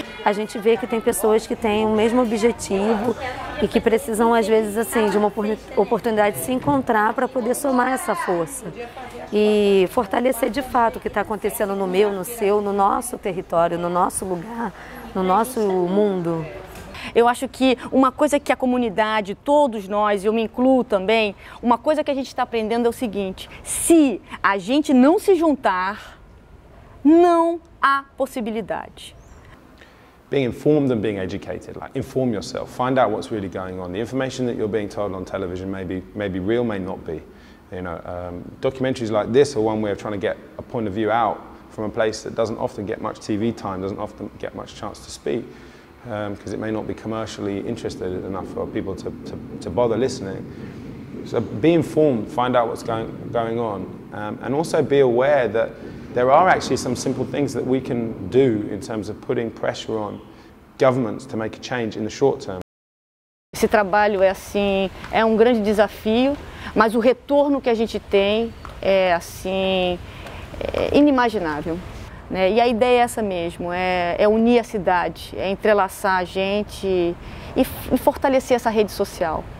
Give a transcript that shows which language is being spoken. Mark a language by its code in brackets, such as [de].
[pt] A gente vê que tem pessoas que têm o mesmo objetivo e que precisam, às vezes, assim, de uma oportunidade de se encontrar para poder somar essa força e fortalecer de fato o que está acontecendo no meu, no seu, no nosso território, no nosso lugar, no nosso mundo. Eu acho que uma coisa que a comunidade, todos nós, e eu me incluo também, uma coisa que a gente está aprendendo é o seguinte: se a gente não se juntar, não há possibilidade. [en] Being informed and being educated, like inform yourself, find out what's really going on. The information that you're being told on television may be real, may not be. You know, documentaries like this are one way of trying to get a point of view out from a place that doesn't often get much TV time, doesn't often get much chance to speak, because it may not be commercially interested enough for people to bother listening. So be informed, find out what's going on, and also be aware that there are actually some simple things that we can do in terms of putting pressure on governments to make a change in the short term. [pt] Esse trabalho é assim, é um grande desafio, mas o retorno que a gente tem é assim, inimaginável, né? E a ideia é essa mesmo, é unir a cidade, é entrelaçar a gente e fortalecer essa rede social.